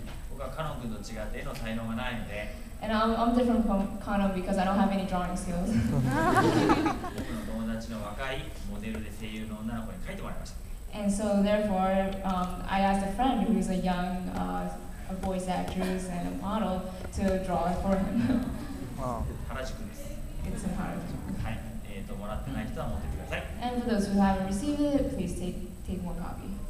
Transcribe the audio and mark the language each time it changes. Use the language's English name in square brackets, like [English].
[Japanese] 僕はカノン君と違って絵の才能がないので。 [English] And I'm different from Kanon because I don't have any drawing skills. [Japanese] 僕の友達の若いモデルで声優の女の子に描いてもらいました。 [English] And so therefore, I asked a friend who is a young a voice actress and a model to draw it for him. And for those who haven't received it, please take one copy.